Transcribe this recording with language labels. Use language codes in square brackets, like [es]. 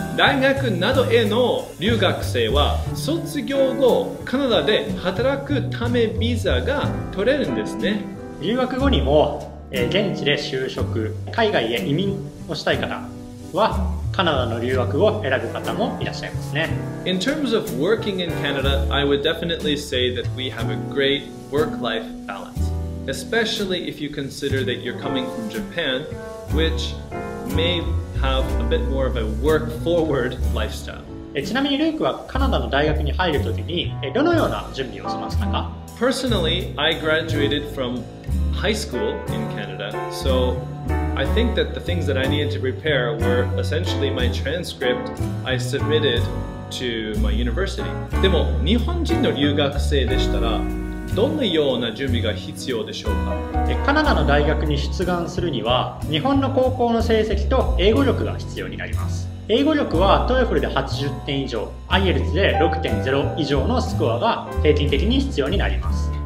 [ja] 大学などへの留学生は卒業後カナダで働くためビザが取れるんですね。留学後にも現地で就職、海外へ移民をしたい方はカナダの留学を選ぶ方もいらっしゃいますね。 [en] In terms of working in Canada, I would definitely say that we have a great work-life balance, especially if you consider that you're coming from Japan, which may have a bit more of a work-forward lifestyle. [ja] ちなみにルークはカナダの大学に入るときにどのような準備をしましたか？ [en] Personally, I graduated from high school in Canada, soI think that the things that I needed to prepare were essentially my transcript I submitted to my university. [ja] でも日本人の留学生でしたらどのような準備が必要でしょうか？カナダの大学に出願するには日本の高校の成績と英語力が必要になります。英語力は TOEFL で80点以上、 IELTS で 6.0 以上のスコアが平均的に必要になります。